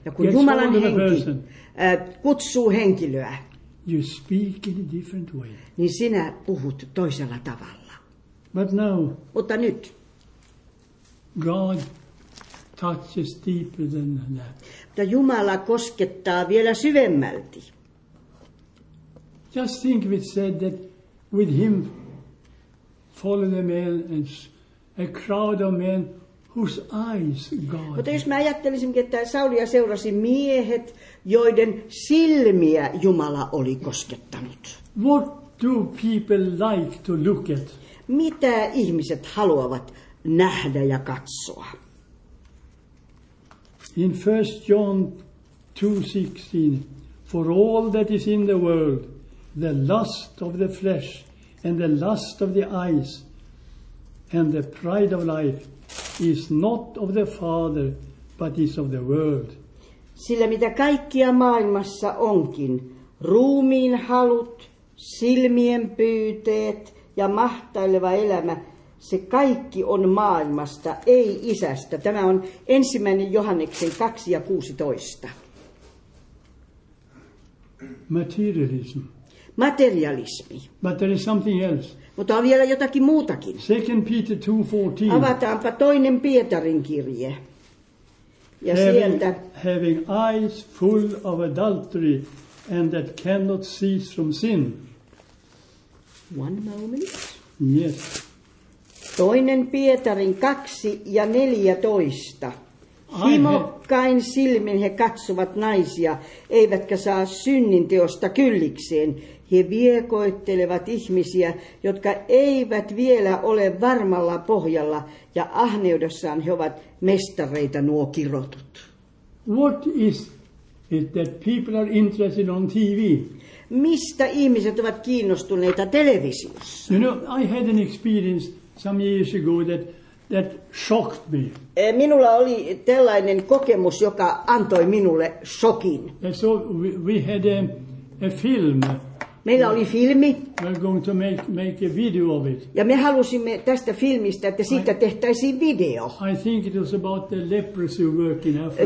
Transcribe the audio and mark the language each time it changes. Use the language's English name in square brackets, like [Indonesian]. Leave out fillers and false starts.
[English] gets [Finnish] Jumalan [English] hold of henki, a person, [Finnish] kutsuu henkilöä, [English] you speak in a different way. [Finnish] Niin sinä puhut toisella tavalla. [English] But now, [Finnish] mutta nyt, [English] God touches deeper than that. [Finnish] Mutta Jumala koskettaa vielä syvemmälti. [English] Just think of it said that with him follow the man and a crowd of men whose eyes God. [Finnish] Mutta jos mä ajattelisin, että Saulia seurasi miehet, joiden silmiä Jumala oli koskettanut. [English] What do people like to look at? [Finnish] Mitä ihmiset haluavat nähdä ja katsoa? [English] In 1 John 2:16, for all that is in the world, the lust of the flesh and the lust of the eyes and the pride of life is not of the Father, but is of the world. [Finnish] Sillä mitä kaikkia maailmassa onkin, ruumiin halut, silmien pyyteet, ja mahtaileva elämä, se kaikki on maailmasta, ei isästä. Tämä on ensimmäinen Johanneksen 2:16. [English] Materialism. [Finnish] Materialismi. [English] But there is something else. [Finnish] Mutta on vielä jotakin muutakin. [English] 2 Peter 2:14. [Finnish] Avataanpa toinen Pietarin kirje. Ja sieltä. [English] Having eyes full of adultery and that cannot cease from sin. One moment. Yes. [Finnish] Toinen Pietarin 2:14. Himokkain silmin he katsovat naisia, eivätkä saa synnin teosta kyllikseen. He viekoittelevat ihmisiä, jotka eivät vielä ole varmalla pohjalla, ja ahneudessaan he ovat mestareita nuo kirotut. [English] What is it that people are interested on TV? [Finnish] Mistä ihmiset ovat kiinnostuneita televisiossa? [English] You know, I had an experience some years ago that shocked me. [Finnish] Minulla oli tällainen kokemus, joka antoi minulle shokin. [English] And so we had a film. [Finnish] Meillä oli filmi. [English] We're going to make a video of it. [Finnish] Ja me halusimme tästä filmistä, että siitä tehtäisiin video. [English] I think it was about the leprosy work in Africa.